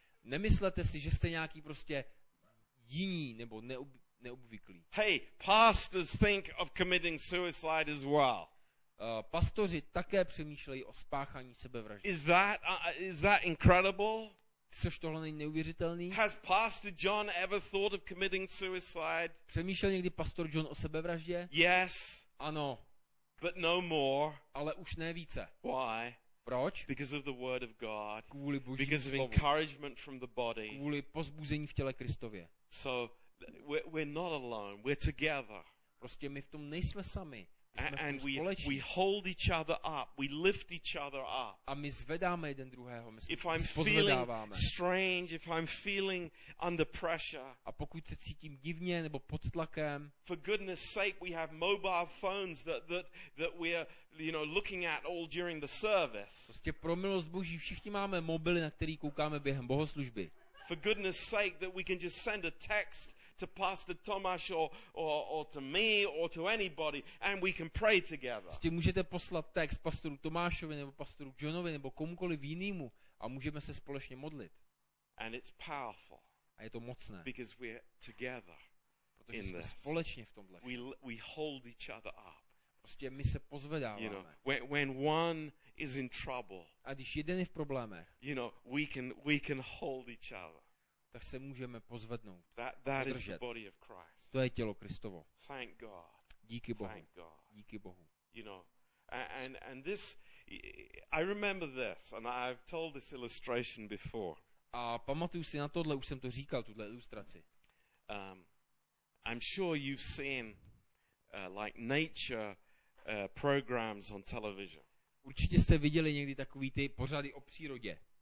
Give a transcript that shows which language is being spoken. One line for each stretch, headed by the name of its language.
Czech: Nemyslete si, že jste nějaký prostě jiní nebo neobvyklý.
English: Hey, pastors think of committing suicide as well.
Czech: Pastoři také přemýšlejí o spáchání sebevraždy.
English: Is that incredible?
Czech: Což tohle není neuvěřitelný?
English: Has Pastor John ever thought of committing suicide?
Czech: Přemýšlel někdy pastor John o sebevraždě?
English: Yes.
Czech: Ano.
English: But no more.
Czech: Ale už ne více.
English: Why?
Czech: Proč?
English: Because of the word of God.
Czech: Kvůli Božímu slovu.
English: Because of encouragement from the body.
Czech: Kvůli pozbuzení v těle Kristově.
English: So we're not alone. We're together.
Czech: Prostě my v tom nejsme sami.
English: And we hold each other up, we lift each other up.
Czech: A my zvedáme jeden druhého, my
English: if I'm feeling strange, if I'm feeling under pressure,
Czech: a pokud se cítím divně nebo pod tlakem,
English: for goodness sake, we have mobile phones that we're, you know, looking at all during the service.
Czech: Prostě pro milost Boží, všichni máme mobily, na který koukáme během bohoslužby.
English: For goodness sake, that we can just send a text to Pastor Tomáš or to me or to anybody and we can pray together.
Czech: Ty můžete poslat text pastoru Tomášovi nebo pastoru Johnovi nebo komukoliv jinému a můžeme se společně modlit.
English: And it's powerful.
Czech: A je to mocné.
English: Because we're together.
Czech: Protože jsme společně v tomhle.
English: We hold each other up.
Czech: Prostě my se pozvedáváme.
English: You know, when one is in trouble.
Czech: A když jeden je v problémech.
English: You know, we can hold each other.
Czech: Tak se můžeme pozvednout.
English: That is the body of Christ.
Czech: To je tělo Kristovo.
English: Thank God.
Czech: Díky Bohu.
English: Thank God.
Czech: Díky Bohu.
English: You know, and this, I remember this, and I've told this illustration before.
Czech: A pamatuju si na tohle, už jsem to říkal, tuhle ilustraci.
English: I'm sure you've seen like nature programs on television.
Czech: Určitě jste viděli někdy takový ty pořady o přírodě.